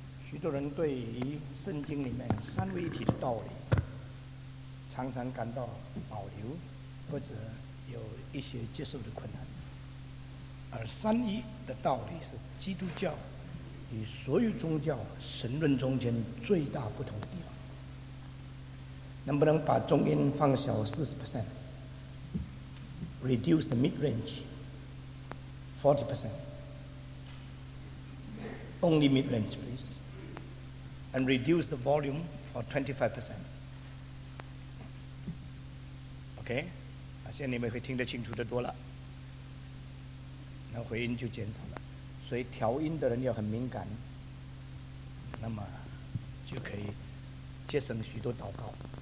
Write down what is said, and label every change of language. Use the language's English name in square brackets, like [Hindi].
[Chinese] 许多人对于圣经里面三位一体的道理常常感到保留或者有一些接受的困难，而三一的道理是基督教与所有宗教神论中间最大不同的地方。能不能把中音放小 40%， [English] reduce the mid-range 40%， only mid-range please， and reduce the volume for 25%。 [Chinese] OK， 现在你们会听得清楚的多了，那回音就减少了，所以调音的人要很敏感，那么就可以节省许多祷告。